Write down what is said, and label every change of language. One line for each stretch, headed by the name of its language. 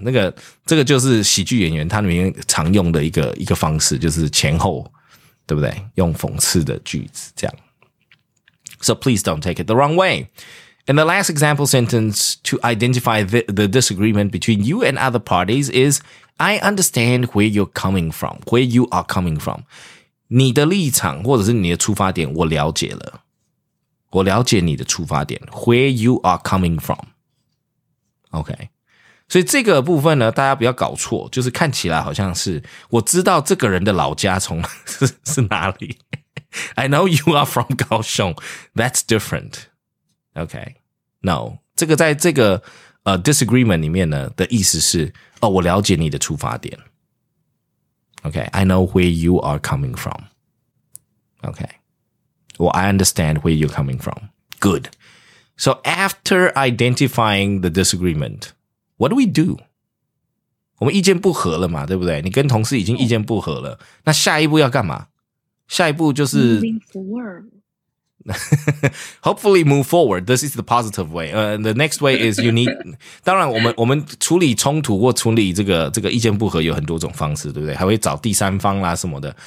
Chinese: 那个这个就是喜剧演员他里面常用的一个方式，就是前后。对不对？用讽刺的句子这样。
English: So please don't take it the wrong way. And the last example sentence to identify the disagreement between you and other parties is I understand where you're coming from, where you are coming from.
Chinese: 你的立场或者是你的出发点我了解了。我了解你的出发点
English: where you are coming from.
Chinese: Okay. 所以这个部分呢大家不要搞错就是看起来好像是我知道这个人的老家从是哪里。
English: I know you are from Kaohsiung. That's different. Okay.
Chinese: No. 这个在这个disagreement 里面呢的意思是哦我了解你的出发点。
English: Okay. I know where you are coming from. Okay. Well, I understand where you're coming from. Good. So after identifying the disagreement,What do we do?
Chinese: 我们意见不合了嘛，对不对？你跟同事已经意见不合了，那下一步要干嘛？下一步就是
English: moving forward. Hopefully move forward. This is the positive way. The next way is you need.
Chinese: 当然，我们处理冲突或处理这个意见不合有很多种方式，对不对？还会找第三方啦什么的。